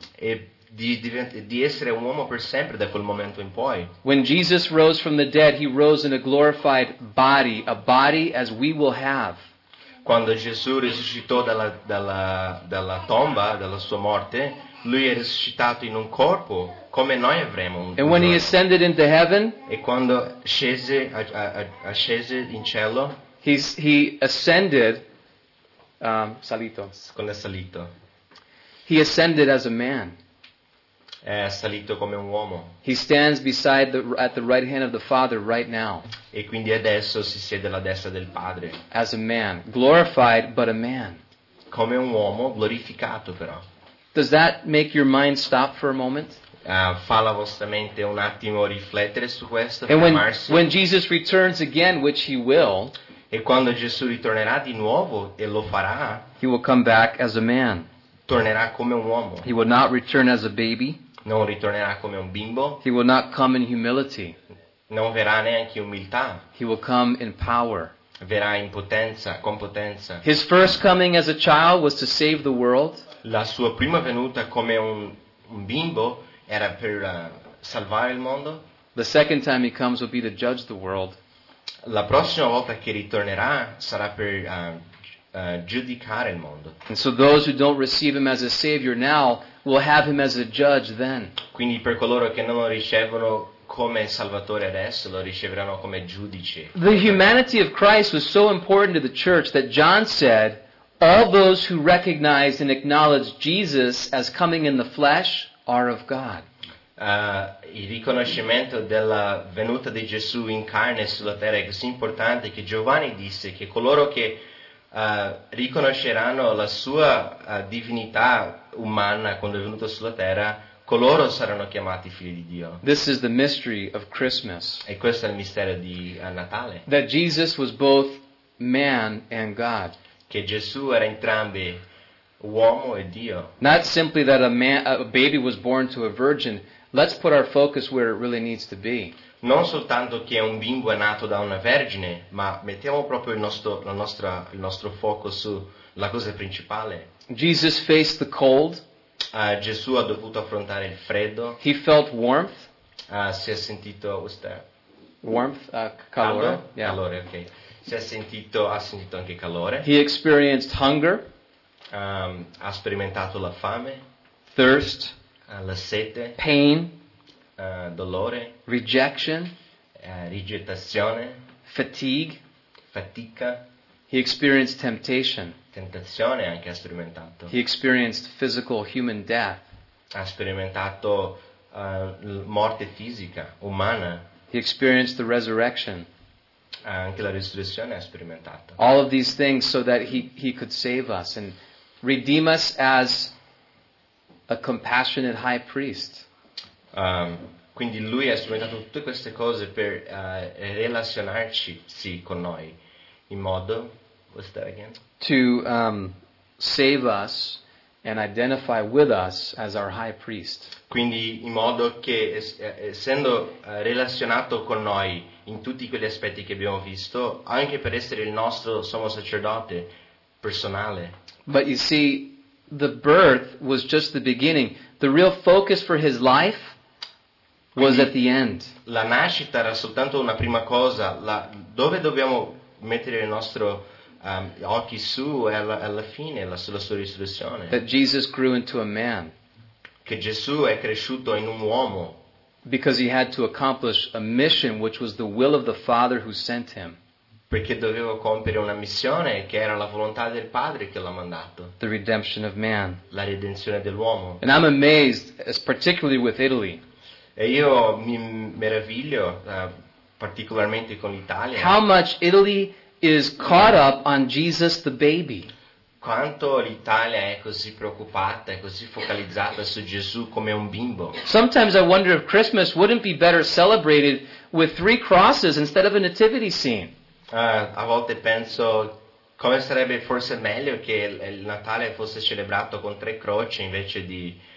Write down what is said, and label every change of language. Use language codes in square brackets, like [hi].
[it] E di essere un uomo per sempre da quel momento in poi. [en] When Jesus rose from the dead, he rose in a glorified body, a body as we will have. [it] Quando Gesù risuscitò dalla tomba, dalla sua morte, lui è risuscitato in un corpo come noi avremo un corpo. [en] And when he ascended into heaven, [it] e quando ascese in cielo, [en] he ascended salito. [it] Quando è salito. [en] He ascended as a man. [it] È salito come un uomo. [en] He stands beside at the right hand of the Father right now. [it] E quindi adesso si siede alla destra del Padre. [en] As a man, glorified but a man. [it] Come un uomo glorificato però. [en] Does that make your mind stop for a moment? [it] Fa la vostra mente un attimo riflettere su questo. [en] And when Jesus returns again, which he will. [it] E quando Gesù ritornerà di nuovo e lo farà. [en] He will come back as a man. [it] Tornerà come un uomo. [en] He will not return as a baby. [it] Non ritornerà come un bimbo. [en] He will not come in humility. [it] Non verrà neanche in umiltà. [en] He will come in power. [it] Verrà in potenza, con potenza. [en] His first coming as a child was to save the world. [it] La sua prima venuta come un bimbo era per salvare il mondo. [en] The second time he comes will be to judge the world. [it] La prossima volta che ritornerà sarà per giudicare il mondo. [en] And so those who don't receive him as a savior now will have him as a judge then. [it] Quindi per coloro che non lo ricevono come salvatore adesso lo riceveranno come giudice. [en] The humanity of Christ was so important to the church that John said, All those who recognize and acknowledge Jesus as coming in the flesh are of God. [it] Il riconoscimento della venuta di Gesù in carne sulla terra è così importante che Giovanni disse che coloro che riconosceranno la sua divinità umana quando è venuto sulla terra, coloro saranno chiamati figli di Dio. [en] This is the mystery of Christmas. [it] E questo è il mistero di Natale. [en] That Jesus was both man and God. [it] Che Gesù era entrambi uomo e Dio. [en] Not simply that a baby was born to a virgin. Let's put our focus where it really needs to be. [it] Non soltanto che un bimbo è nato da una vergine, ma mettiamo proprio il nostro focus sulla cosa principale. [en] Jesus faced the cold. [it] Gesù ha dovuto affrontare il freddo. [en] He felt warmth. [it] Si è sentito [en] warmth, calore. [it] Yeah. Calore, ok. Ha sentito anche calore. [en] He experienced hunger. [it] Ha sperimentato la fame. [en] Thirst. [it] La sete. [en] Pain. [it] Dolore. [en] Rejection. [it] Rigettazione. [en] Fatigue. [it] Fatica. [en] He experienced temptation. [it] Tentazione anche ha sperimentato. [en] He experienced physical human death. [it] Ha sperimentato morte fisica, umana. [en] He experienced the resurrection. [it] Anche la risurrezione ha sperimentato. [en] All of these things so that he could save us and redeem us as a compassionate high priest. [it] Quindi lui ha sperimentato tutte queste cose per relazionarci sì, con noi in modo, [en] what's that again? To save us and identify with us as our high priest. [it] Quindi in modo che essendo relazionato con noi in tutti quegli aspetti che abbiamo visto, anche per essere il nostro sommo sacerdote personale. [en] But you see, the birth was just the beginning. The real focus for his life was at the end. [it] La nascita era soltanto una prima cosa. Dove dobbiamo mettere il nostro occhi su è alla fine, sulla sua risurrezione. [en] That Jesus grew into a man. [it] Che Gesù è cresciuto in un uomo. [en] Because he had to accomplish a mission which was the will of the Father who sent him. [it] Perché doveva compiere una missione che era la volontà del Padre che l'ha mandato. [en] The redemption of man. [it] La redenzione dell'uomo. [en] And I'm amazed, particularly with Italy. [it] E io mi meraviglio particolarmente con l'Italia. [en] How much Italy is caught up on Jesus the baby. [it] Quanto l'Italia è così preoccupata, è così focalizzata su Gesù come un bimbo. [en] Sometimes I wonder if Christmas wouldn't be better celebrated with three crosses instead of a nativity scene. [it] A volte penso come sarebbe forse meglio che il Natale fosse celebrato con tre croci invece di